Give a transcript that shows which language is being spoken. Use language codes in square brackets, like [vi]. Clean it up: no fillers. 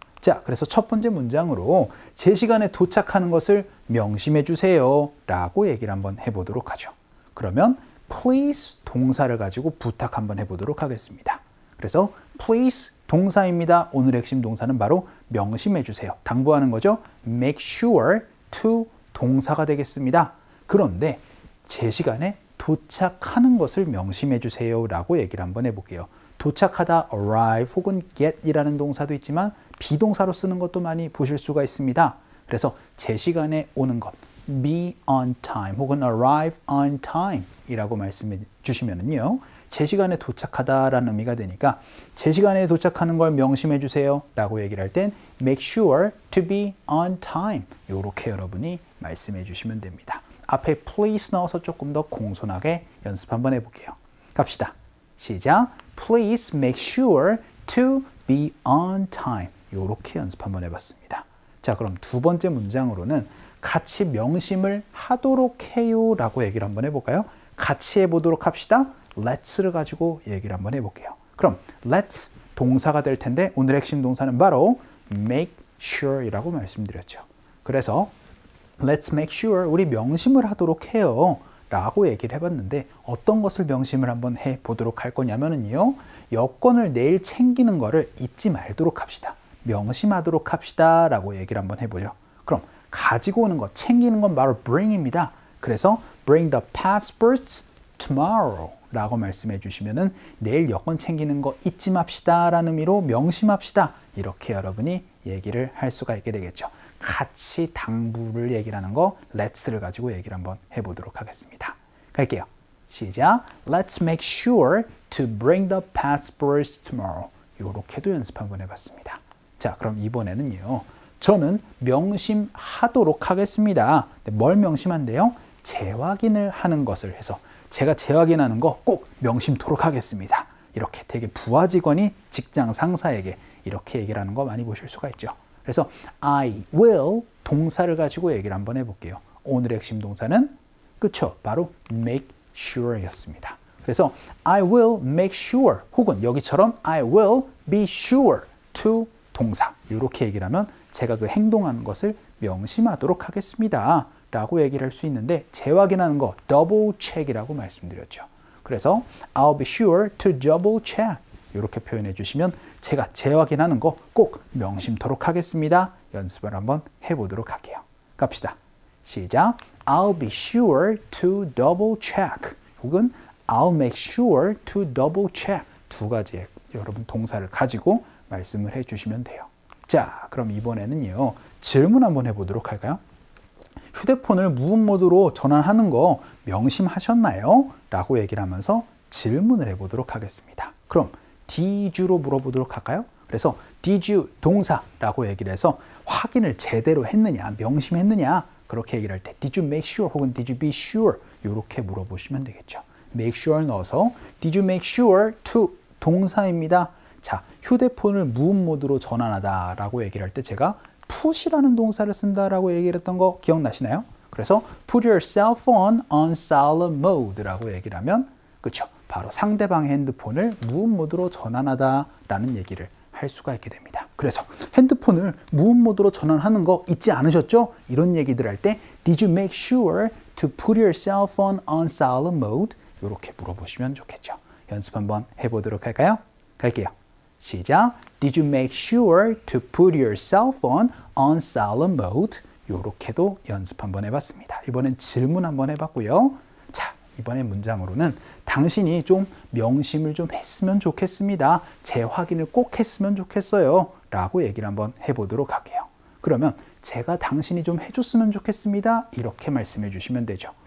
[ko] 자, 그래서 첫 번째 문장으로 제 시간에 도착하는 것을 명심해 주세요 라고 얘기를 한번 해보도록 하죠. 그러면 please 동사를 가지고 부탁 한번 해보도록 하겠습니다. 그래서 please 동사입니다. 오늘 핵심 동사는 바로 명심해 주세요. 당부하는 거죠. [en] make sure to [ko] 동사가 되겠습니다. 그런데 제 시간에 도착하는 것을 명심해 주세요 라고 얘기를 한번 해볼게요. 도착하다 arrive 혹은 get 이라는 동사도 있지만 비동사로 쓰는 것도 많이 보실 수가 있습니다. 그래서 제 시간에 오는 것 [en] be on time [ko] 혹은 [en] arrive on time [ko] 이라고 말씀해 주시면은요, 제 시간에 도착하다 라는 의미가 되니까 제 시간에 도착하는 걸 명심해 주세요 라고 얘기를 할 땐 [en] make sure to be on time [ko] 이렇게 여러분이 말씀해 주시면 됩니다. 앞에 please 넣어서 조금 더 공손하게 연습 한번 해볼게요. 갑시다. 시작. [en] Please make sure to be on time. [ko] 이렇게 연습 한번 해봤습니다. 자, 그럼 두 번째 문장으로는 같이 명심을 하도록 해요 라고 얘기를 한번 해볼까요? 같이 해보도록 합시다. Let's를 가지고 얘기를 한번 해볼게요. 그럼 let's 동사가 될 텐데 오늘 핵심 동사는 바로 make sure 이라고 말씀드렸죠. 그래서 [en] Let's make sure [ko] 우리 명심을 하도록 해요 라고 얘기를 해봤는데 어떤 것을 명심을 한번 해보도록 할 거냐면요, 여권을 내일 챙기는 거를 잊지 말도록 합시다. 명심하도록 합시다 라고 얘기를 한번 해보죠. 그럼 가지고 오는 거, 챙기는 건 바로 bring입니다. 그래서 [en] bring the passports tomorrow [ko] 라고 말씀해 주시면은 내일 여권 챙기는 거 잊지 맙시다 라는 의미로 명심합시다 이렇게 여러분이 얘기를 할 수가 있게 되겠죠. 같이 당부를 얘기하는 거 let's를 가지고 얘기를 한번 해보도록 하겠습니다. 갈게요. 시작. [en] Let's make sure to bring the passports tomorrow. [ko] 요렇게도 연습 한번 해봤습니다. 자, 그럼 이번에는요, 저는 명심하도록 하겠습니다. 뭘 명심한대요? 재확인을 하는 것을 해서 제가 재확인하는 거 꼭 명심토록 하겠습니다. 이렇게 되게 부하 직원이 직장 상사에게 이렇게 얘기를 하는 거 많이 보실 수가 있죠. 그래서 I will 동사를 가지고 얘기를 한번 해볼게요. 오늘의 핵심 동사는 그쵸? 바로 make sure 였습니다. 그래서 [en] I will make sure [ko] 혹은 여기처럼 [en] I will be sure to [ko] 동사 이렇게 얘기를 하면 제가 그 행동하는 것을 명심하도록 하겠습니다 라고 얘기를 할 수 있는데 재확인하는 거 double check이라고 말씀드렸죠. 그래서 [en] I'll be sure to double check [ko] 이렇게 표현해 주시면 제가 재확인하는 거 꼭 명심토록 하겠습니다. 연습을 한번 해보도록 할게요. 갑시다. 시작. [en] I'll be sure to double check 혹은 I'll make sure to double check [ko] 두 가지의 여러분 동사를 가지고 말씀을 해 주시면 돼요. 자, 그럼 이번에는요, 질문 한번 해보도록 할까요? 휴대폰을 무음모드로 전환하는 거 명심하셨나요? 라고 얘기를 하면서 질문을 해보도록 하겠습니다. 그럼 Did you로 물어보도록 할까요? 그래서 Did you 동사라고 얘기를 해서 확인을 제대로 했느냐, 명심했느냐 그렇게 얘기를 할 때 [en] Did you make sure [ko] 혹은 [en] Did you be sure [ko] 이렇게 물어보시면 되겠죠. [en] Make sure [ko] 넣어서 [en] Did you make sure to 동사입니다. [ko] 자, 휴대폰을 무음모드로 전환하다 라고 얘기를 할 때 제가 put이라는 동사를 쓴다라고 얘기를 했던 거 기억나시나요? [en] 그래서 put your cell phone on silent mode라고 [ko] 얘기를 하면 그쵸? 바로 상대방의 핸드폰을 무음모드로 전환하다 라는 얘기를 할 수가 있게 됩니다. 그래서 핸드폰을 무음모드로 전환하는 거 잊지 않으셨죠? 이런 얘기들 할 때 [en] Did you make sure to put your cell phone on silent mode? [ko] 이렇게 물어보시면 좋겠죠. 연습 한번 해보도록 할까요? 갈게요. 시작! [en] Did you make sure to put your cell phone on silent mode? [ko] 이렇게도 연습 한번 해봤습니다. 이번엔 질문 한번 해봤고요. 자, 이번에 문장으로는 당신이 좀 명심을 좀 했으면 좋겠습니다. 재확인을 꼭 했으면 좋겠어요. 라고 얘기를 한번 해보도록 할게요. 그러면 제가 당신이 좀 해줬으면 좋겠습니다. 이렇게 말씀해 주시면 되죠.